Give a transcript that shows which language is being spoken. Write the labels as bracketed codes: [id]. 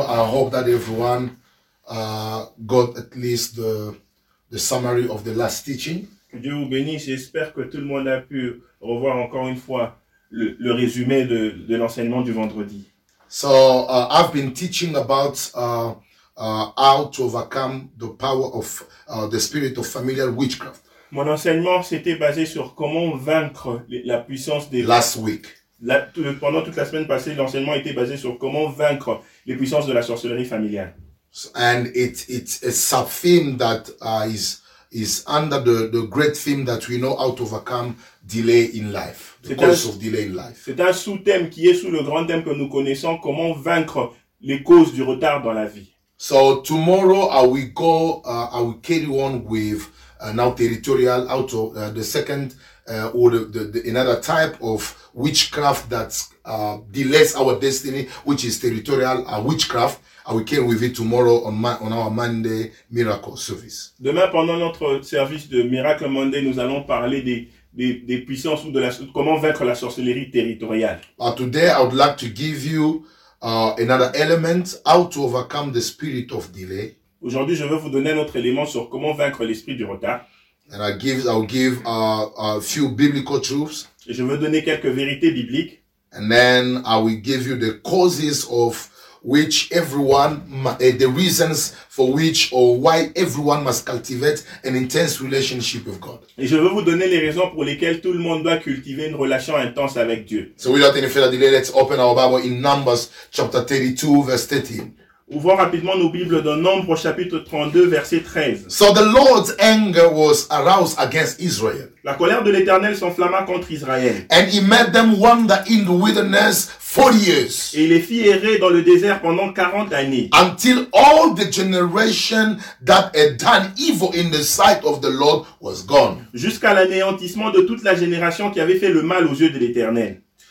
[en] I hope that everyone got at least the summary of the last teaching. [fr] Que Dieu vous bénisse. J'espère que tout le monde a pu revoir encore une fois le résumé de l'enseignement du vendredi. [en] So I've been teaching about how to overcome the power of the spirit of familial witchcraft. [fr] Mon enseignement s'était basé sur comment vaincre la puissance des [en] last week. [fr] Pendant toute la semaine passée, l'enseignement était basé sur comment vaincre les puissances de la sorcellerie familiale. [en] And it's a sub-theme that is under the great theme that we know how to overcome delay in life, the cause of delay in life. [fr] C'est un sous-thème qui est sous le grand thème que nous connaissons, comment vaincre les causes du retard dans la vie. [en] So tomorrow I will carry on with now territorial auto the second or the another type of witchcraft that delays our destiny, which is territorial witchcraft. I will carry with it tomorrow on our Monday miracle service. [fr] Demain pendant notre service de Miracle Monday, nous allons parler des puissances ou de la comment vaincre la sorcellerie territoriale. [en] Today I would like to give you another element how to overcome the spirit of delay. [fr] Aujourd'hui, je veux vous donner un autre élément sur comment vaincre l'esprit du retard. [en] And I'll give a few biblical truths. [fr] Et je veux donner quelques vérités bibliques. [en] And then I will give you the causes of which everyone, the reasons for which or why everyone must cultivate an intense relationship with God. [fr] Et je veux vous donner les raisons pour lesquelles tout le monde doit cultiver une relation intense avec Dieu. [en] So without any further delay, let's open our Bible in Numbers chapter 32, verse 13. [fr] Ouvrons rapidement nos Bibles dans Nombre chapitre 32 verset 13. [en] So the Lord's anger was aroused against Israel. [fr] La colère de l'Éternel s'enflamma contre Israël. [en] And he made them wander in the wilderness 40 years. [fr] Et il les fit errer dans le désert pendant 40 années. [en] Until all the generation that had done evil in the sight of the Lord was gone. [fr] Jusqu'à l'anéantissement de toute la génération qui avait fait le mal aux yeux de l'Éternel.